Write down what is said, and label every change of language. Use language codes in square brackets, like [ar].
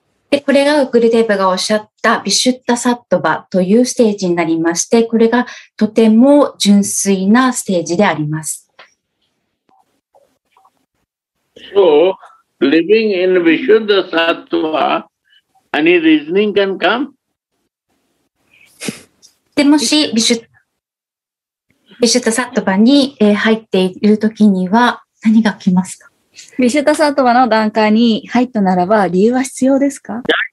[ja] で、これがグルデーブがおっしゃったビシュッタサットバというステージになりまして、これがとても純粋なステージであります。 [en] So, living in Vishuddha Sattva, any reasoning can come? [ja] でもしビシュッタサットバに入っているときには何が来ますか？ビシュタサトバの段階に入ったならば理由は必要ですか？